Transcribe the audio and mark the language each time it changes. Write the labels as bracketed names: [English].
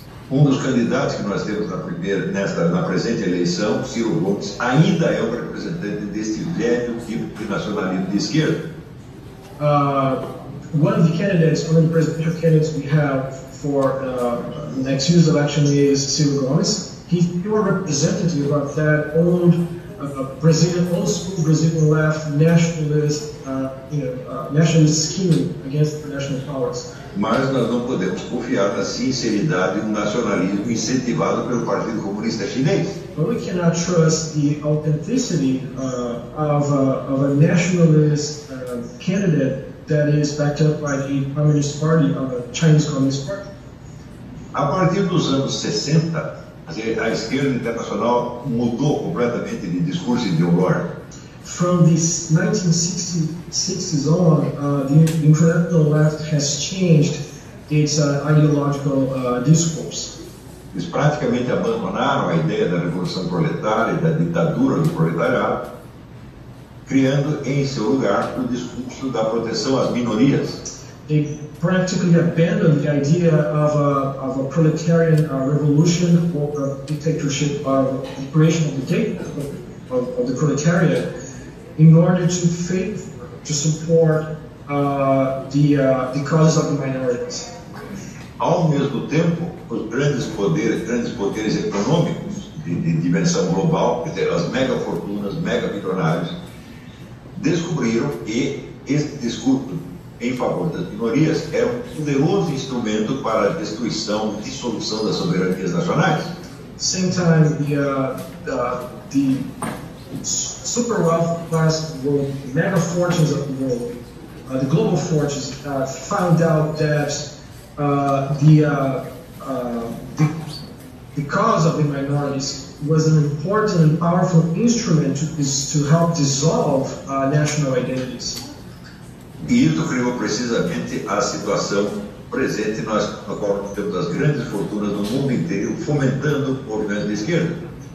[Portuguese] Um dos candidatos que nós temos na presente eleição, Ciro Gomes, ainda é o representante deste velho tipo de nacionalismo de esquerda. [English] One of the candidates, one of the presidential candidates we have for next year's election is Ciro Gomes. He's pure representative of that old Brazilian, old school Brazilian left nationalist, nationalist scheme against the national powers. [Portuguese] Mas nós não podemos confiar na sinceridade do nacionalismo incentivado pelo Partido Comunista Chinês. [English] But we cannot trust the authenticity of a nationalist candidate that is backed up by the Communist Party of the Chinese Communist Party. [Portuguese] A partir dos anos 60, a esquerda internacional mudou completamente de discurso ideológico. [English] From the 1960s on, the international left has changed its ideological discourse. [Portuguese] Eles praticamente abandonaram a ideia da revolução proletária, da ditadura do proletariado, criando em seu lugar o discurso da proteção às minorias. [English] They practically abandoned the idea of a proletarian revolution or a dictatorship of the creation of the state of the proletariat in order to favor, to support the causes of the minorities. [Portuguese] Ao mesmo tempo, os grandes poderes econômicos de dimensão global, quer dizer, as mega fortunas, mega bilionários, descobriram que este discurso em favor das minorias era um poderoso instrumento para a destruição e dissolução das soberanias nacionais. [English] Same time, the super wealth class world, mega fortunes of the world, the global fortunes, found out that the cause of the minorities was an important and powerful instrument to help dissolve national identities. [Portuguese] E isso criou precisamente a situação presente nós, na qual temos as grandes fortunas do mundo inteiro fomentando o movimento de esquerda.